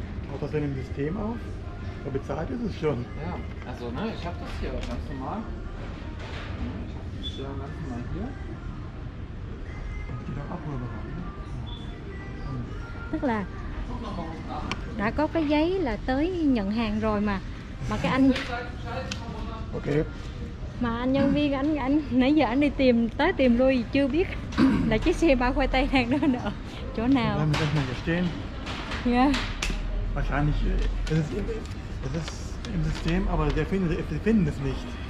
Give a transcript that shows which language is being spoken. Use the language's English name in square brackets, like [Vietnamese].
[German] Haut das denn im System auf? Aber bezahlt ist es schon. Ja, also ne, ich hab das hier ganz normal. Ich hab das ganz normal hier. Und die da abholen. [Vietnamese] Tức là đã có cái giấy là tới nhận hàng rồi mà. Mà cái anh ok. Mà anh nhân viên anh nãy giờ anh đi tìm tới tìm lui chưa biết là chiếc xe bao Khoai Tây đang đâu nữa. Chỗ nào? [German] Dann müssen wir stehen. Ja. Wahrscheinlich es ist im System, aber sie finden es nicht.